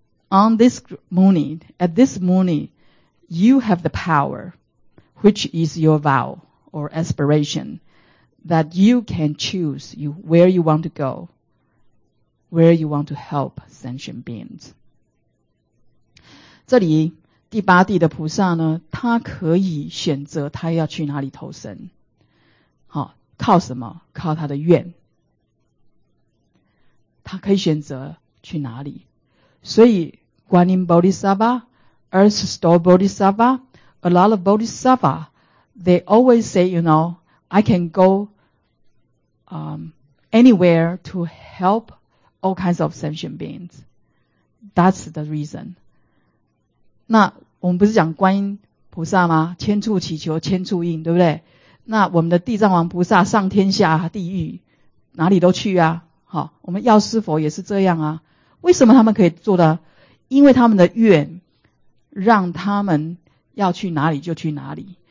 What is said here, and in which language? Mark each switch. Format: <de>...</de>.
<en>On this muni, at this muni,you have the power, which is your vow or aspiration, that you can choose you, where you want to go, where you want to help sentient beings.</en> <zh>这里第八地的菩萨呢，他可以选择他要去哪里投身。好，靠什么？靠他的愿。他可以选择去哪里。所以观音菩萨吧，</zh> <en>Earth Store Bodhisattva, a lot of Bodhisattva, they always say, you know, I can go anywhere to help all kinds of sentient beings. That's the reason.</en> <zh>那我们不是讲观音菩萨吗？千处祈求千处应，对不对？那我们的地藏王菩萨上天下地狱，哪里都去啊。好，我们药师佛也是这样啊。为什么他们可以做的？因为他们的愿让他们要去哪里就去哪里，</zh>